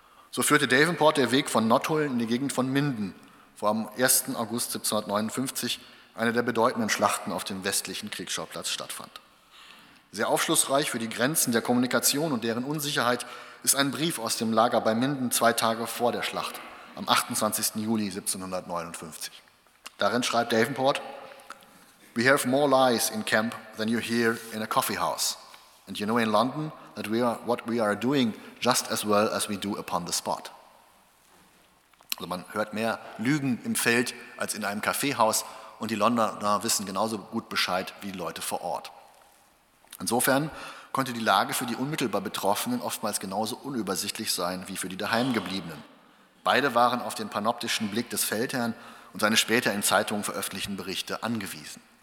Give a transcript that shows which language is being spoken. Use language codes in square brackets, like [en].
[de] So führte Davenport der Weg von Nothull in die Gegend von Minden, wo am 1. August 1759 eine der bedeutenden Schlachten auf dem westlichen Kriegsschauplatz stattfand. Sehr aufschlussreich für die Grenzen der Kommunikation und deren Unsicherheit ist ein Brief aus dem Lager bei Minden zwei Tage vor der Schlacht, am 28. Juli 1759. Darin schreibt Davenport: [en] "We have more lies in camp than you hear in a coffee house. And you know in London that we are what we are doing just as well as we do upon the spot." [de] Also man hört mehr Lügen im Feld als in einem Kaffeehaus und die Londoner wissen genauso gut Bescheid wie die Leute vor Ort. Insofern konnte die Lage für die unmittelbar Betroffenen oftmals genauso unübersichtlich sein wie für die Daheimgebliebenen. Beide waren auf den panoptischen Blick des Feldherrn und seine später in Zeitungen veröffentlichten Berichte angewiesen.